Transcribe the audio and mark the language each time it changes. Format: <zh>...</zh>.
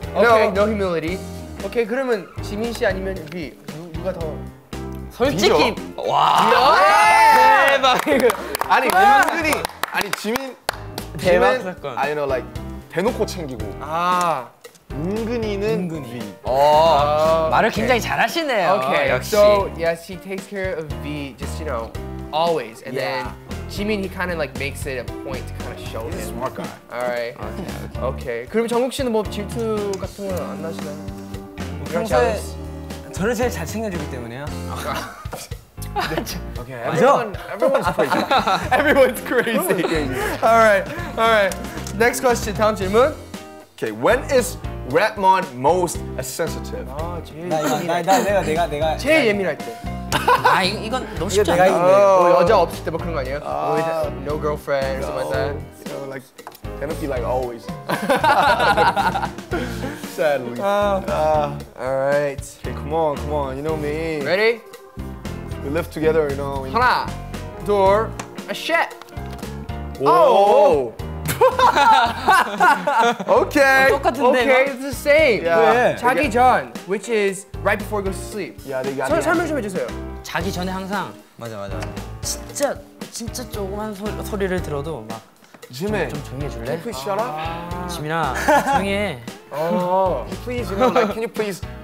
<en>No, yeah. Okay, no humility. Okay,</en> <ko>그러면 지민 씨 아니면 V 누가 더? 솔직히. 와. 대박. 아니 은근히 아니 지민. 대박.</ko> <en>I know like</en> <ko>대놓고 챙기고. 아. 은근히는 은근히. 오, 말을 굉장히 잘 하시네요.</ko> <en>Okay.</en> <ko>역시.</ko> <en>So yes, he takes care of V just you know always, and then Jimin he kind of like makes it a point to kind of show him. He's a smart guy. All right. Okay. Okay.</en> <ko>그럼 정국 씨는 뭐 질투 같은 건 안 나시나요? 평소에 저를 제일 잘 챙겨주기 때문에요.</ko> <en>Okay. Everyone's crazy. All right. All right. Next question.</en> <ko>다음 질문.</ko> <en>Okay, when is Redmon most sensitive?</en> <ko>아, 제일 예민할 때. 내가 제일 예민할 때. 아, 이건 너무 쉽지 않아. 뭐 여자 없을 때 뭐 그런 거 아니에요?</ko> <en>With no girlfriend or something like that. You know, like, cannot be like always. Sadly. All right. Okay, come on, you know me. Ready? We live together, you know.</en> <ko>하나, 둘, 아, shit!</ko> <en>오! Okay. Okay, it's the same. Yeah.</en> <ko>자기 전,</ko> <en>which is right before you go to sleep. Yeah, they got it.</en> <ko>설명 좀 해주세요. 자기 전에 항상 맞아. 진짜 조그만 소리를 들어도 막 지민 좀 조용히 해줄래?</ko> <en>Can you please shut up?</en> <ko>지민아, 조용히 해.</ko> <en>Oh, please, you know, like, can you please</en>